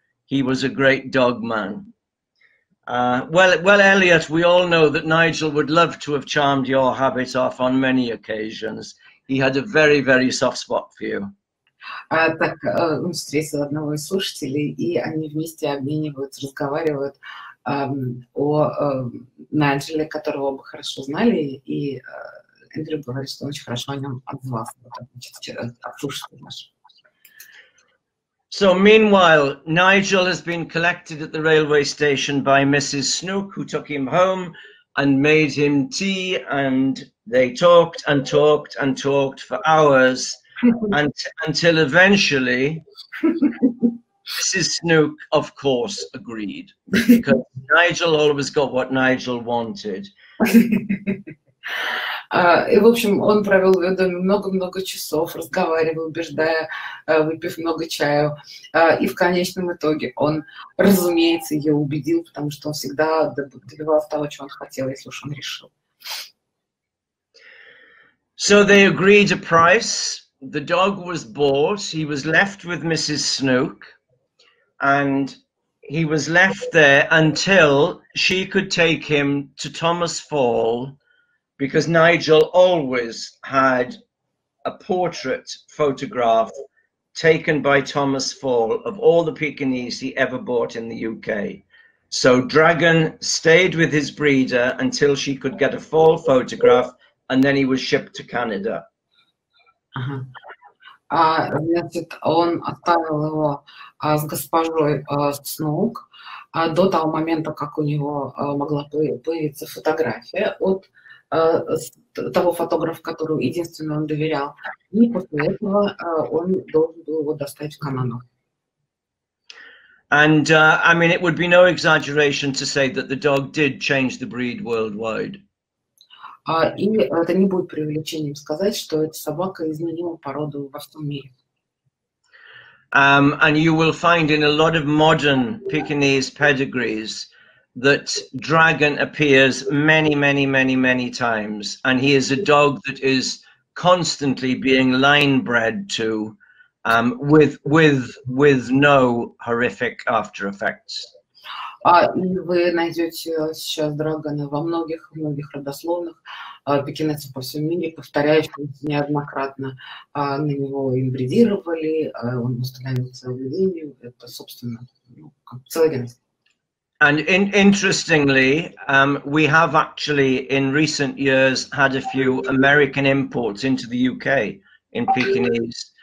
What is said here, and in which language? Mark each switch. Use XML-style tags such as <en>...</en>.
<en>He was a great dog man. Well, Elliot, we all know that Nigel would love to have charmed your habit off on many occasions. He had a very, very soft spot for you.</en> <ru>Так, он встретил одного из слушателей, и они вместе обмениваются, разговаривают о Найджеле, которого бы хорошо знали, и Эндрю говорит, что он очень хорошо о нем отзывался, обслуживает наш.</ru> <en>So, meanwhile, Nigel has been collected at the railway station by Mrs. Snook, who took him home and made him tea, and they talked and talked and talked for hours, until eventually Mrs. Snook, of course, agreed, because Nigel always got what Nigel wanted.</en> <ru>И, в общем, он провел в доме много-много часов, разговаривая, убеждая, выпив много чаю. И в конечном итоге он, разумеется, ее убедил, потому что он всегда добивался того, чего он хотел, если уж он решил.</ru> <en>So they agreed a price. The dog was bought. He was left with Mrs. Snook. And he was left there until she could take him to Thomas Fall, because Nigel always had a portrait photograph taken by Thomas Fall of all the Pekinese he ever bought in the UK. So Dragon stayed with his breeder until she could get a Fall photograph, and then he was shipped to Canada. Uh-huh.</en> <ru>Значит, он оставил его с госпожой Снук до того момента, как у него могла появиться фотография от того фотографа, которому единственно он доверял. И после этого он должен был его доставить в Канаду.</ru> <en>And I mean, it would be no exaggeration to say that the dog did change the breed worldwide.</en> <ru>И это не будет преувеличением сказать, что эта собака изменила породу во всем мире.</ru> <en>And you will find in a lot of modern Pekinese pedigrees that Dragon appears many, many, many, many times, and he is a dog that is constantly being line-bred to, with no horrific after effects.</en> <ru>И вы найдете сейчас Драгона во многих-многих родословных, пекинеса по всему миру, повторяющегося неоднократно. На него имбридировали, он устанавливался в линию. Это, собственно, ну, целый день.</ru> <en>And interestingly, we have actually in recent years had a few American imports into the UK in Pekingese.</en>